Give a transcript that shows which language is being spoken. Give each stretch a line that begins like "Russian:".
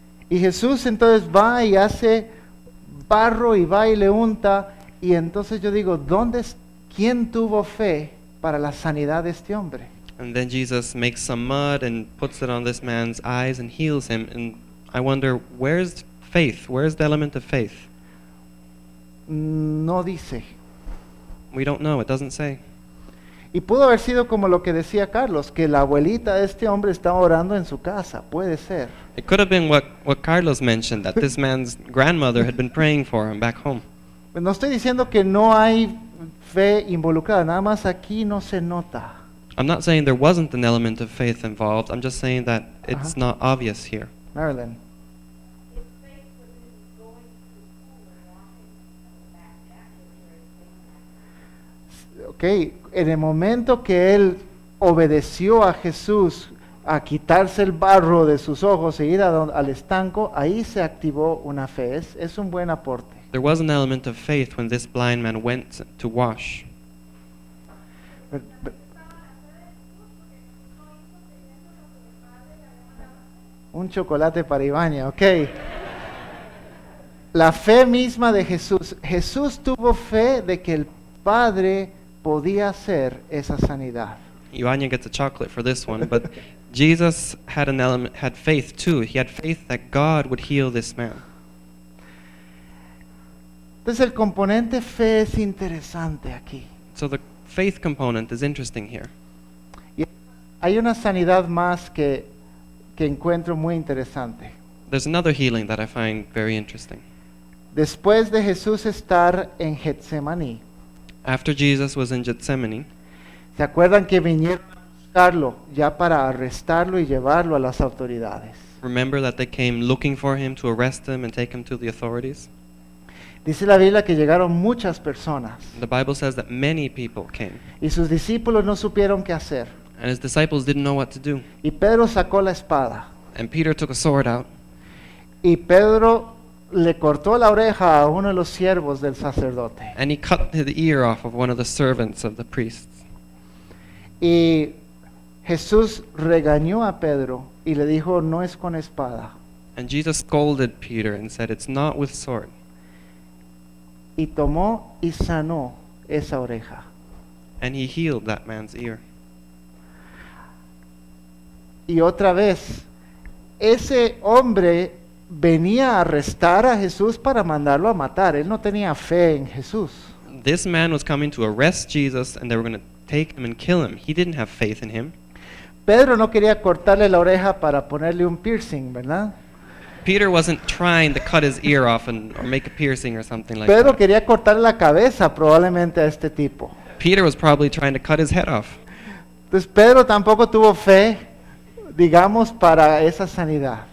Spanish: Y Jesús entonces va y hace barro y va y le unta. Y entonces yo digo, ¿dónde es, quién tuvo fe para la sanidad de este hombre?
English: And then Jesus makes some mud and puts it on this man's eyes and heals him. And I wonder, where's faith? Where's the element of faith?
Spanish: No dice.
English: We don't know, it doesn't say.
Spanish: Y pudo haber sido como lo que decía Carlos, que la abuelita de este hombre estaba orando en su casa, puede ser.
English: It could have been what Carlos mentioned, that this man's grandmother had been praying for him back home.
Spanish: No estoy diciendo que no hay fe involucrada, nada más aquí no se nota.
English: I'm not saying there wasn't an element of faith involved. I'm just saying that it's not obvious here. Marilyn.
Spanish: Okay, en el momento que él obedeció a Jesús a quitarse el barro de sus ojos e ir al estanco, ahí se activó una fe. Es un buen aporte.
English: There was an element of faith when this blind man went to wash.
Spanish: Un chocolate para Ivania, okay. La fe misma de Jesús. Jesús tuvo fe de que el Padre podía hacer esa sanidad.
English: Ivania gets a chocolate for this one, but Jesus had an element, had faith too. He had faith that God would heal this man.
Spanish: Entonces el componente fe es interesante aquí.
English: So the faith component is interesting here.
Spanish: Y hay una sanidad más que encuentro muy interesante.
English: There's another healing that I find very interesting.
Spanish: Después de Jesús estar en Getsemaní.
English: After Jesus was in Gethsemane.
Spanish: ¿Se acuerdan que vinieron a buscarlo ya para arrestarlo y llevarlo a las autoridades?
English: Remember that they came looking for him to arrest him and take him to the authorities.
Spanish: Dice la Biblia que llegaron muchas personas.
English: The Bible says that many people came.
Spanish: Y sus discípulos no supieron qué hacer.
English: And his disciples didn't know what to do.
Spanish: Y Pedro sacó la espada.
English: And Peter took a sword out.
Spanish: Y Pedro le cortó la oreja a uno de los siervos del sacerdote.
English: And he cut the ear off of one of the servants of the priests.
Spanish: Y Jesús regañó a Pedro y le dijo, no es con espada.
English: And Jesus scolded Peter and said, it's not with sword.
Spanish: Y tomó y sanó esa oreja.
English: And he healed that man's ear.
Spanish: Y otra vez, ese hombre venía a arrestar a Jesús para mandarlo a matar. Él no tenía fe en Jesús.
English: This man was coming to arrest Jesus and they were going to take him and kill him. He didn't have faith in him.
Spanish: Pedro no quería cortarle la oreja para ponerle un piercing, ¿verdad?
English: Peter wasn't trying to cut his ear off and or make a piercing or something like
Spanish: Pedro
English: that.
Spanish: Pedro quería cortarle la cabeza probablemente a este tipo.
English: Peter was probably trying to cut his head off.
Spanish: Entonces Pedro tampoco tuvo fe, digamos, para esa sanidad.